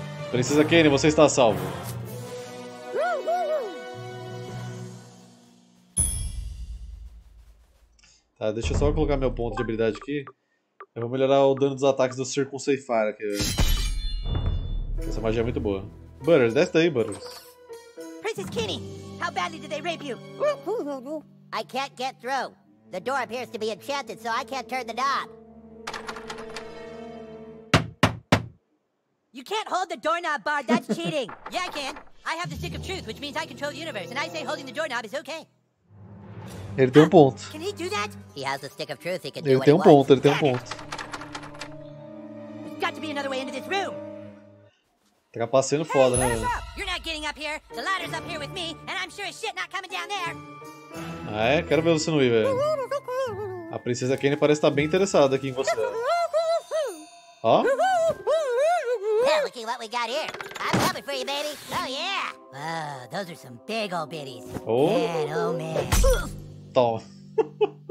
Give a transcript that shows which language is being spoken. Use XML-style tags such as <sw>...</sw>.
<pt>Princesa Kane, você está a salvo. Tá, deixa eu só colocar meu ponto de habilidade aqui. Eu vou melhorar o dano dos ataques do Circunceifar aqui. Essa magia é muito boa. Butters, desce daí, Butters.</pt> <en>Princess Kinney, how badly did they rape you? I can't get through. The door appears to be enchanted, so I can't turn the knob. You can't hold the doorknob, Bard, that's cheating. Yeah, I can. I have the stick of truth, which means I control the universe, and I say holding the doorknob is okay.</en> <pt>Ele tem um ponto.</pt> <en>Can he do that? He has a stick of truth. He can do what he wants.</en> <pt>Ele tem um ponto.</pt> <en>There's got to be another way into this room.</en> <pt>Tá passando foda, hey, né?</pt> <en>You're not getting up here. The ladder's up here with me, and I'm sure as shit not coming down there.</en> <pt>Ah, é? Quero ver você no ir, velho. A princesa Kane parece estar bem interessada aqui em você. Ó.</pt> <en>Yeah, look at what we got here. I'm coming for you, baby. Oh yeah. Oh, those are some big old bitties. Man, oh man.</en>